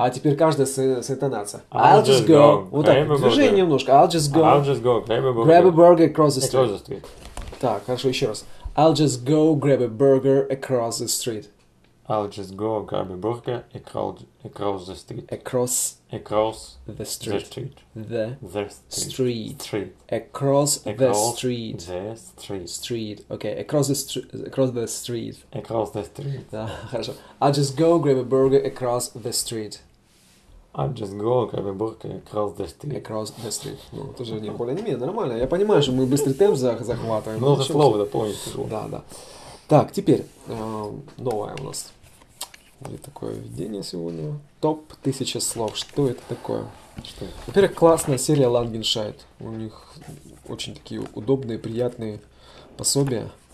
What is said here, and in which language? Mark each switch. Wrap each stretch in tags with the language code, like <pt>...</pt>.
<ru>А теперь каждая с интонация.</ru> <en>I'll just go.</en> <ru>Вот так, движение немножко.</ru> <en>I'll just go. I'll just go. Grab a burger. Grab a burger across the street. Across the street.</en> <ru>Так, хорошо, еще раз.</ru> <en>I'll just go grab a burger across the street. I'll just go grab a burger across the street. Across. Across. The street. The street. The street. Street. Across the street. The street. Street. Okay. Across the street. Across the street.</en> <ru>Хорошо.</ru> <en>I'll just go grab a burger across the street. I'll just go grab a burger across the street. Across the street.</en> <ru>Ну, тоже не более не менее, нормально. Я понимаю, что мы быстрый темп захватываем. Много слов, да, помнишь? Да, да. Так, теперь новое у нас. Вот такое введение сегодня. Топ 1000 слов. Что это такое? Что? Во-первых, классная серия Langenscheidt. У них очень такие удобные, приятные пособия.</ru>